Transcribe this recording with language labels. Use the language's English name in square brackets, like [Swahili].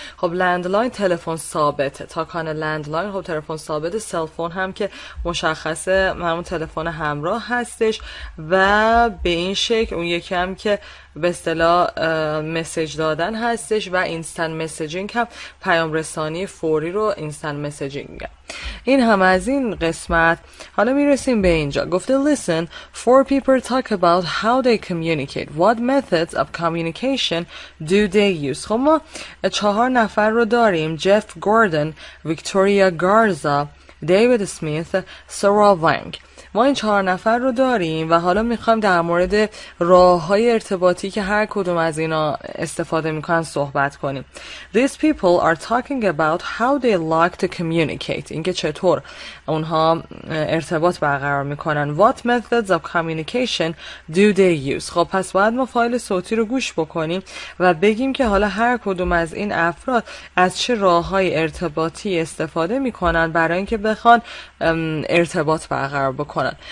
[Persian] خب لندلاین تلفن ثابته، تاکان لندلاین خب تلفن ثابته، سلفون هم که مشخصه همون تلفن همراه هستش و به این شکل اون یکی هم که به اصطلاح مسیج دادن هستش و اینستنت مسیجینگ هم پیام رسانی فوری رو اینستنت مسیجینگ. این هم از این قسمت. حالا میرسیم به اینجا. گفته [English] listen, four people talk about how they communicate. What methods of communication do they use? [Persian] خب ما چهار نفر رو داریم. جف گوردن، ویکتوریا گارزا، دیوید سمیث، سارا وانگ. ما این چهار نفر رو داریم و حالا میخوایم در مورد راه‌های ارتباطی که هر کدوم از اینا استفاده میکنن صحبت کنیم. [English] These people are talking about how they like to communicate. [Persian] اینکه چطور اونها ارتباط برقرار میکنن. [English] What methods of communication do they use? [Persian] خب پس باید ما فایل صوتی رو گوش بکنیم و بگیم که حالا هر کدوم از این افراد از چه راه‌های ارتباطی استفاده میکنن برای اینکه بخوان ارتباط برقرار بکنن.